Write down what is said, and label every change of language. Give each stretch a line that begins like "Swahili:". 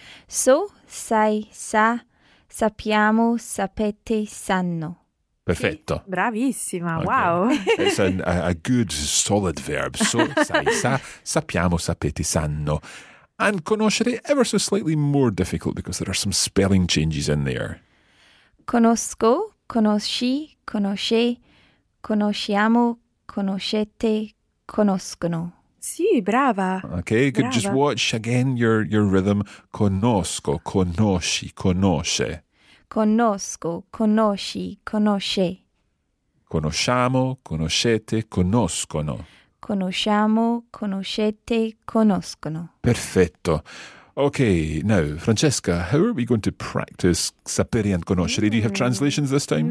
Italian: So, sai, sa, sappiamo, sapete, sanno. Perfetto. Sì, bravissima, okay. Wow.
English: It's a good, solid verb.
Italian: So, sai, sa, sappiamo, sapete, sanno.
English: And conoscere, ever so slightly more difficult because there are some spelling changes in there.
Italian: Conosco, conosci, conosce, conosciamo, conoscete, conoscono. Sì, brava.
English: Okay, good. Brava. Just watch again your rhythm.
Italian: Conosco, conosci, conosce. Conosco, conosci, conosce. Conosciamo, conoscete, conoscono. Conosciamo, conoscete, conoscono. Perfetto.
English: Okay, now, Francesca, how are we going to practice sapere and conoscere? Do you have translations this time?